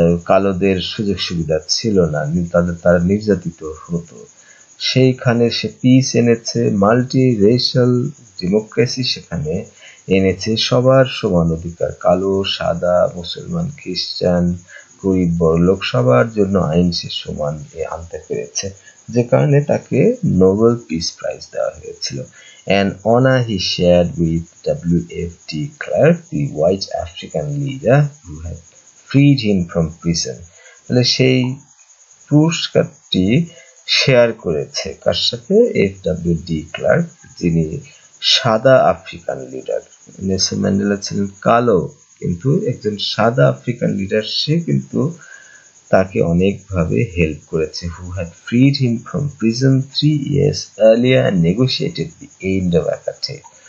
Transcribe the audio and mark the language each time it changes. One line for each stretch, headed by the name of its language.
Bangla: কালোদের সুযোগ সুবিধা ছিল না, তাদের তারা নির্যাতিত হতো, সেইখানে সে পিস এনেছে, মাল্টি রেশাল ডেমোক্রেসি সেখানে এনেছে, সবার সমান অধিকার, কালো সাদা মুসলমান খ্রিস্টান গরিব বড় লোক সবার জন্য আইন সে সমান আনতে পেরেছে, যে কারণে তাকে নোবেল পিস প্রাইজ দেওয়া হয়েছিল।
English: And honor he shared with W.F. de Klerk, the white African leader who had freed him from prison.
Bangla: তাহলে সেই পুরস্কারটি শেয়ার করেছে কার সাথে? F.W. de Klerk, যিনি সাদা আফ্রিকান লিডার, নেলসন ম্যান্ডেলা ছিলেন কালো কিন্তু একজন সাদা আফ্রিকান লিডার, সে কিন্তু তাকে অনেকভাবে হেল্প করেছে,
English: Who had freed him from prison three years earlier and negotiated the end of apartheid.